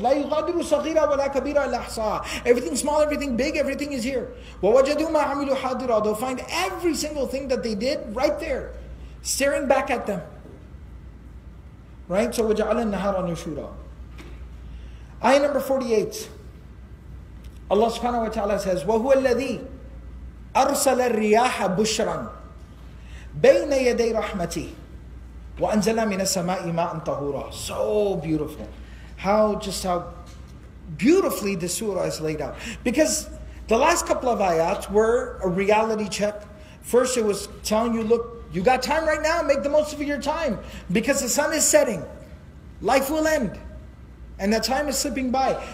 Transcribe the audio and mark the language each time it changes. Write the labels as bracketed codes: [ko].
[ar] لا يغادر صغيرا ولا كبيرا إلا أحصاها. [en] Everything small, everything big, everything is here. [ar] ووجدوا ما عملوا حاضرا. [en] They'll find every single thing that they did right there, staring back at them. Right? So [ar] وَجَعَلَ النَّهَارَ نُشُورًا. [en] Ayah number 48. Allah subhanahu wa ta'ala says, [ar] وَهُوَ الَّذِي أَرْسَلَ الرِّيَاحَ بُشْرًا بَيْنَ يَدَيْ رَحْمَتِي وَأَنزَلَ مِنَ السَّمَاءِ مَاءً طَهُورًا. [en] So beautiful. How beautifully the surah is laid out. Because the last couple of ayats were a reality check. First it was telling you, look, you got time right now, make the most of your time. Because the sun is setting, life will end. And the time is slipping by.